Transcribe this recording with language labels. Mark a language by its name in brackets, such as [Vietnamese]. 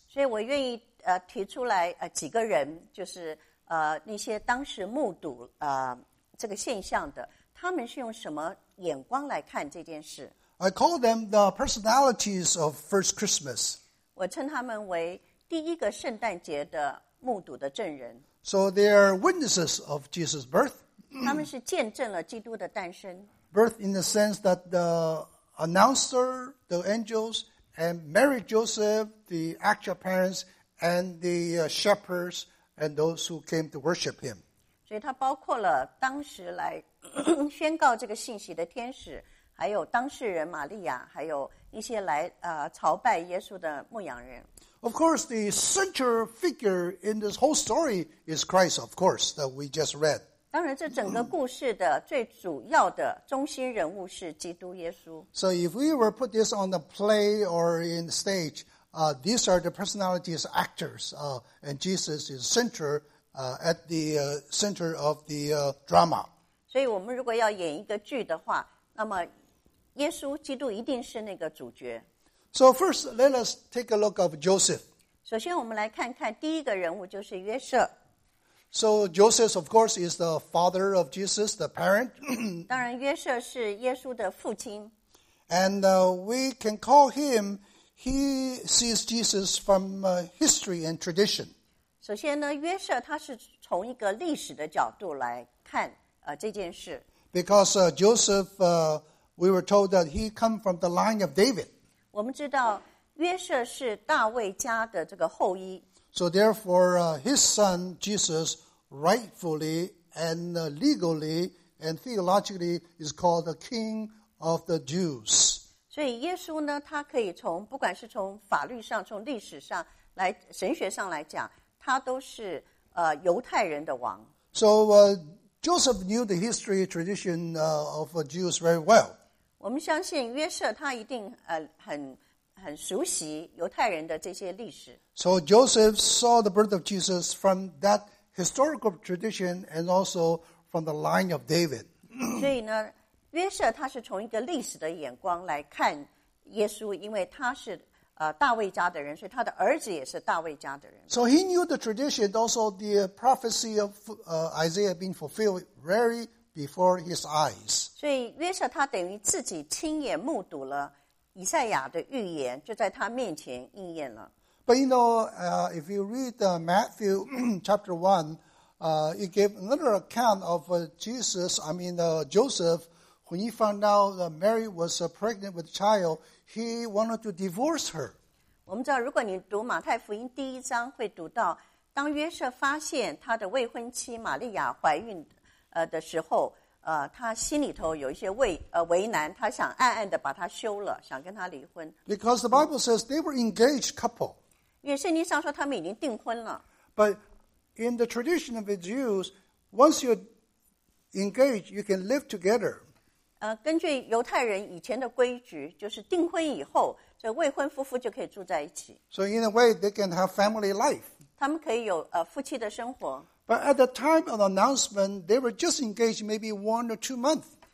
[Chinese] 所以我愿意提出来几个人，就是那些当时目睹这个现象的，他们是用什么眼光来看这件事。 [English] I call them the personalities of first Christmas. [Chinese] 我称他们为第一个圣诞节的目睹的证人。 [English] So they are witnesses of Jesus' birth. [Chinese] 他们是见证了基督的诞生。 [English] Birth in the sense that the announcer, the angels, and Mary, Joseph, the actual parents, and the shepherds, and those who came to worship him. [Chinese] 所以它包括了当时来宣告这个信息的天使，还有当事人玛利亚，还有一些来朝拜耶稣的牧羊人。 [English] Of course, the central figure in this whole story is Christ, of course, that we just read. [Chinese] 当然这整个故事的最主要的中心人物是基督耶稣。 [English] So if we were put this on the play or in the stage, these are the personalities, actors, and Jesus is center, at the center of the drama. [Chinese] 所以我们如果要演一个剧的话，那么耶稣基督一定是那个主角。 [English] So first, let us take a look of Joseph. [Chinese] 首先我们来看看第一个人物就是约瑟。 [English] So Joseph, of course, is the father of Jesus, the parent. [Chinese] 当然约瑟是耶稣的父亲。 [English] And we can call him, he sees Jesus from history and tradition. [Chinese] 首先呢，约瑟他是从一个历史的角度来看这件事。 [English] Because Joseph, we were told that he come from the line of David. [Chinese] 我们知道约瑟是大卫家的这个后裔。 [English] So therefore, his son Jesus rightfully and legally and theologically is called the King of the Jews. [Chinese] 所以耶稣呢，他可以从不管是从法律上、从历史上来、神学上来讲，他都是犹太人的王。 [English] So Joseph knew the history tradition of Jews very well. [Chinese] 我们相信约瑟他一定很熟悉犹太人的这些历史。 [English] So Joseph saw the birth of Jesus from that historical tradition and also from the line of David. [Chinese] 所以呢，约瑟他是从一个历史的眼光来看耶稣，因为他是大卫家的人，所以他的儿子也是大卫家的人。 [English] So he knew the tradition, also the prophecy of Isaiah being fulfilled very before his eyes. [Chinese] 所以约瑟他等于自己亲眼目睹了以赛亚的预言，就在他面前应验了。 [English] But you know, if you read Matthew chapter 1, it gave another account of Joseph, when he found out that Mary was pregnant with a child,He wanted to divorce her. [Chinese] 我们知道，如果你读马太福音第一章，会读到，当约瑟发现他的未婚妻玛利亚怀孕，的时候，他心里头有一些为难，他想暗暗的把她休了，想跟她离婚。 [English] Because the Bible says they were engaged couple. [Chinese] 因为圣经上说他们已经订婚了。 [English] But in the tradition of the Jews, once you're engaged, you can live together. [Chinese] 根据犹太人以前的规矩，就是订婚以后，这未婚夫妇就可以住在一起。 [English] So in a way, they can have family life. [Chinese] 他们可以有夫妻的生活。 [English] But at the time of the announcement, they were just engaged maybe 1 or 2 months.